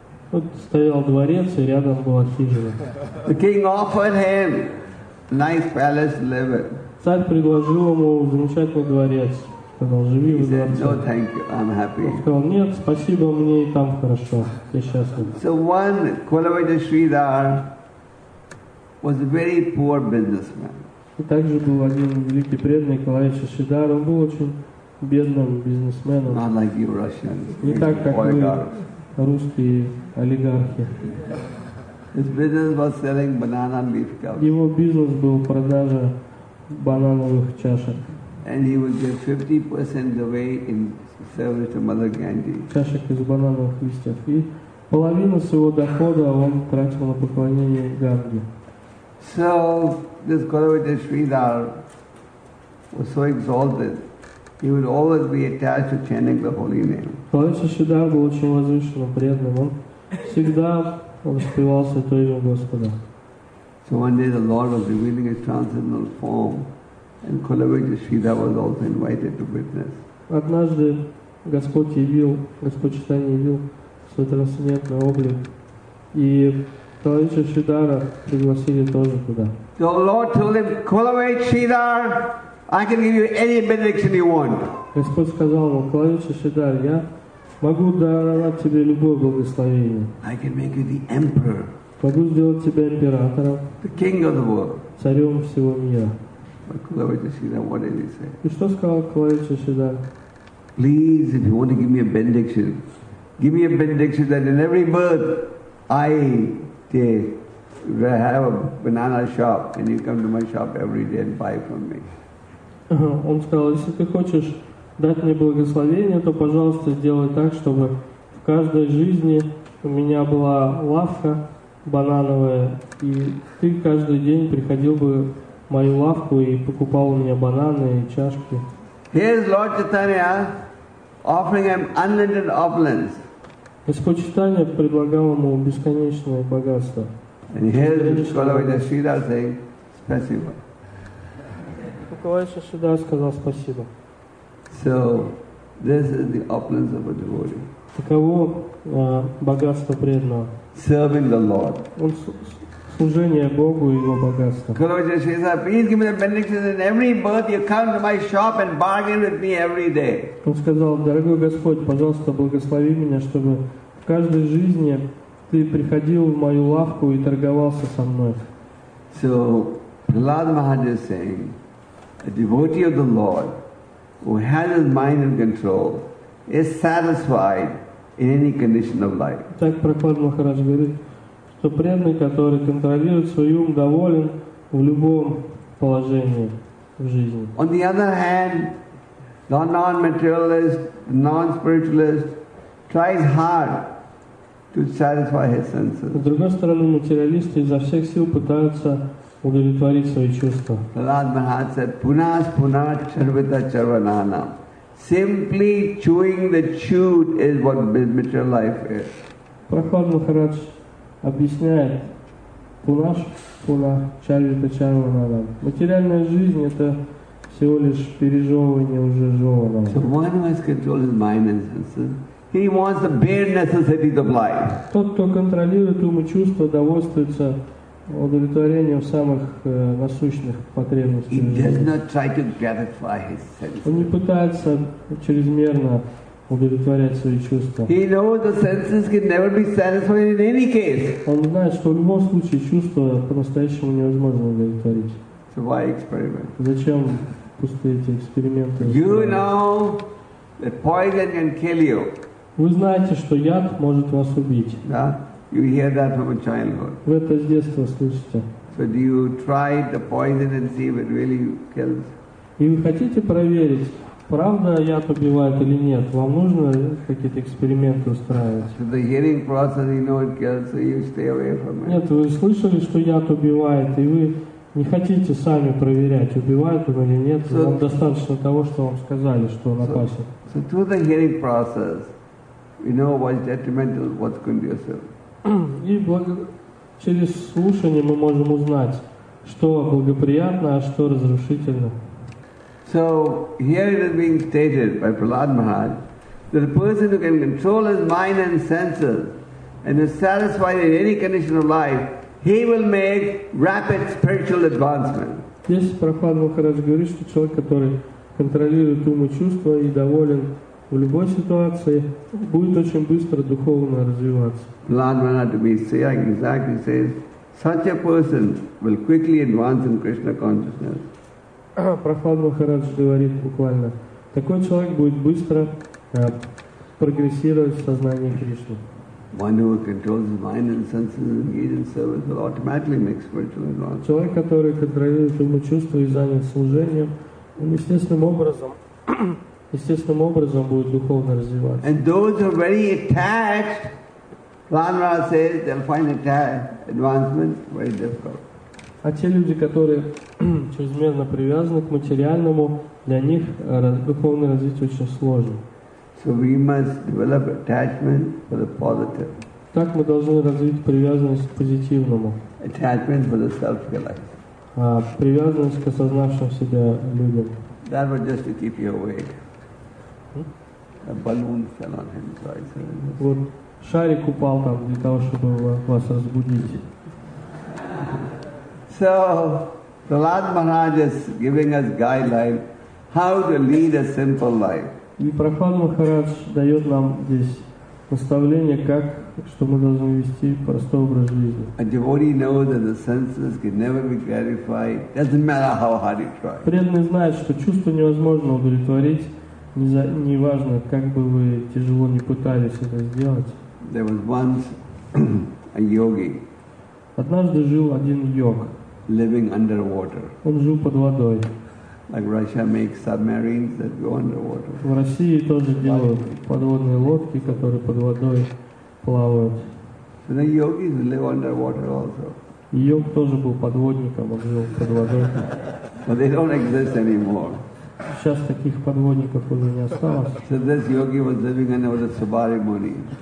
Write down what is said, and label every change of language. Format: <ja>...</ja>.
<ru>Вот стоял дворец, и рядом была хижина.</ru> <en>The king offered him a nice palace to live in.</en> <ru>Царь предложил ему замечательный дворец. Сказал, живи в дворце.</ru> <en>He said, "No, thank you. I'm happy."</en> <ru>Он сказал, нет, спасибо, мне и там хорошо, я счастлив.</ru> <en>So one Kulavita Sridhar was a very poor businessman.</en> <ru>И также был один великий преданный Kulavita Sridhar, он был очень бедным бизнесменом.</ru> <en>Not like you Russians.</en> <ru>Не так, как вы, русские олигархи.</ru> <en>His business was selling banana leaf cups.</en> <ru>Его бизнес был продажа банановых чашек.</ru> <en>And he would get 50% the weight in service to Mother Gandhi.</en> <ru>Чашек из банановых листьев. И половину своего дохода он тратил на поклонение Ганги.</ru> <en>So this Gauravita Sridhar was so exalted. He would always be attached to chanting the holy name.</en> <ru>Гауравита Шридхар был очень возвышенным, преданным. Он всегда воспевался той же Господа.</ru> <en>So one day the Lord was revealing his transcendental form, and Gauravita Sridhar was also invited to witness.</en> <ru>Однажды Господь явил, Господь Читание явил свой трансцендентный облик, и Гауравита Шридхара пригласили тоже туда.</ru> <en>The Lord told him, Gauravita Sridhar, I can give you any benediction you want.</en> <ru>Господь сказал ему, Gauravita Sridhar, я могу даровать тебе любое благословение.</ru> <en>I can make you the emperor.</en> <ru>Могу сделать тебя императором.</ru> <en>The king of the world.</en> <ru>Царем всего мира.</ru> <en>But Gauravita Sridhar, what did he say?</en> <ru>И что сказал Gauravita Sridhar?</ru> <en>Please, if you want to give me a benediction that in every birth I take, have a banana shop and you come to my shop every day and buy from me.</en> <ru>Он сказал, если ты хочешь дать мне благословение, то, пожалуйста, сделай так, чтобы в каждой жизни у меня была лавка банановая, и ты каждый день приходил бы в мою лавку и покупал у меня бананы и чашки.</ru> <en>Here's Lord Chaitanya offering him unlimited opulence.</en> <ru>Господь Читания предлагал ему бесконечное богатство.</ru> <en>And here's Gauravita Sridhar saying,</en> <ru>спасибо. Gauravita Sridhar сказал спасибо.</ru> <en>So, this is the opulence of a devotee.</en> <ru>Таково богатство преданного.</ru> <en>Serving the Lord.</en> <ru>Служение Богу и его богатство.</ru> <en>Gauravita Sridhar, please give me the benediction in every birth you come to my shop and bargain with me every day.</en> <ru>Он сказал, дорогой Господь, пожалуйста, благослови меня, чтобы в каждой жизни ты приходил в мою лавку и торговался со мной.</ru> <en>So, Prahlad Maharaj is saying, a devotee of the Lord who has his mind in control is satisfied in any condition of life.</en> <ru>Так Прахлад Махарадж говорит, что преданный, который контролирует свой ум, доволен в любом положении в жизни.</ru> <en>On the other hand, the non-materialist, the non-spiritualist tries hard to satisfy his senses.</en> <ru>С другой стороны, материалисты изо всех сил пытаются удовлетворить свои чувства.</ru> <en>Prahlad Maharaj said,</en> <sa>Punas Punat Charvita Charvanana.</sa> <en>Simply chewing the chewed is what material life is.</en> <ru>Prahlad Maharaj объясняет,</ru> <sa>Пунаш Пунах Чарвита Чарванана.</sa> <ru>Материальная жизнь — это всего лишь пережевывание уже жеванного.</ru> <en>So one who has controlled his mind and senses, he wants the bare necessities of life.</en> <ru>Тот, кто контролирует ум и чувства, довольствуется удовлетворением самых насущных потребностей.</ru> <en>He does not try to gratify his senses.</en> <ru>Он не пытается чрезмерно удовлетворять свои чувства.</ru> <en>He knows the senses can never be satisfied in any case.</en> <ru>Он знает, что в любом случае чувства по-настоящему невозможно удовлетворить.</ru> <en>So why experiment?</en> <ru>Зачем пустые эти эксперименты?</ru> <en>You know that poison can kill you.</en> <ru>Вы знаете, что яд может вас убить.</ru> <en>Да? You hear that from a childhood.</en> <ru>Вы это с детства слышите.</ru> <en>So do you try the poison and see if it really kills?</en> <ru>И вы хотите проверить, правда яд убивает или нет? Вам нужно какие-то эксперименты устраивать?</ru> <en>So the hearing process, you know it kills, so you stay away from it.</en> <ru>Нет, вы слышали, что яд убивает, и вы не хотите сами проверять, убивает он или нет. So, вам достаточно того, что вам сказали, что он опасен.</ru> <en>So through the hearing process, you know what's detrimental, what's conducive.</en> <ru>И через слушание мы можем узнать, что благоприятно, а что разрушительно.</ru> <en>So here it is being stated by Prahlad Maharaj that a person who can control his mind and senses and is satisfied in any condition of life, he will make rapid spiritual advancement.</en> <ru>Здесь Прахлад Махарадж говорит, что человек, который контролирует ум и чувства и доволен в любой ситуации, будет очень быстро духовно развиваться.</ru> <en>Prahlad Maharaj, to be exactly, says such a person will quickly advance in Krishna consciousness.</en> <ru>Прахлад Махарадж говорит буквально, такой человек будет быстро прогрессировать в сознании Кришны.</ru> <en>one who controls his mind and senses and engages in service will automatically make spiritual advancement.</en> <ru>Человек, который контролирует ум и чувства и занят служением, он естественным образом будет духовно развиваться.</ru> <en>And those who are very attached, Ramana says, they'll find advancement very difficult.</en> <ru>А те люди, которые чрезмерно привязаны к материальному, для них духовное развитие очень сложно.</ru> <en>So we must develop attachment for the positive.</en> <ru>Так мы должны развить привязанность к позитивному.</ru> <en>Attachment for the self-realized.</en> <ru>А привязанность к осознавшим себя людям.</ru> <en>That was just to keep you awake. A balloon fell on him, so I said.</en> <ru>Вот шарик упал там для того, чтобы вас разбудить.</ru> <en>So, Prahlad Maharaj is giving us guideline how to lead a simple life.</en> <ru>И Прохлад Махарадж дает нам здесь наставление, как что мы должны вести простой образ жизни.</ru> <en>A devotee knows that the senses can never be gratified. Doesn't matter how hard he tries.</en> <ru>Преданный знает, что чувства невозможно удовлетворить, не важно, как бы вы тяжело не пытались это сделать.</ru> <en>There was once a yogi.</en> <ru>Однажды жил один йог.</ru> <en>Living underwater.</en> <ru>Он жил под водой.</ru> <en>Like Russia makes submarines that go underwater.</en> <ru>В России тоже делают подводные лодки, которые под водой плавают.</ru> <en>So the yogis live underwater also.</en> <ru>Йог тоже был подводником, он жил под водой.</ru> <en>But they don't exist anymore.</en> <ru>Сейчас таких подводников уже не осталось.</ru> <en>So this yogi was living under Subhari Muni.</en>